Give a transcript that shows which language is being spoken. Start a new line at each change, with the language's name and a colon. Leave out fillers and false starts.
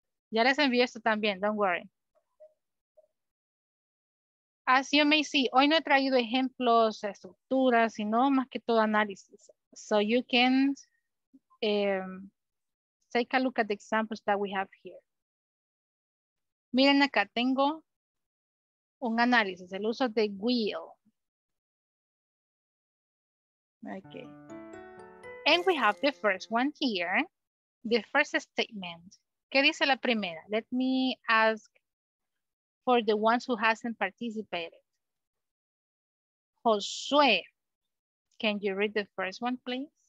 Spanish: Ya les envié esto también,
English: don't worry. As you may see,
Spanish: hoy no he traído ejemplos, estructuras, sino más que todo análisis.
English: So you can take a look at the examples that we have here.
Spanish: Miren acá, tengo un análisis, el uso de will.
English: Okay. And we have the first one here, the first statement.
Spanish: ¿Qué dice la primera?
English: Let me ask for the ones who hasn't participated. Josué, can you read the first one, please?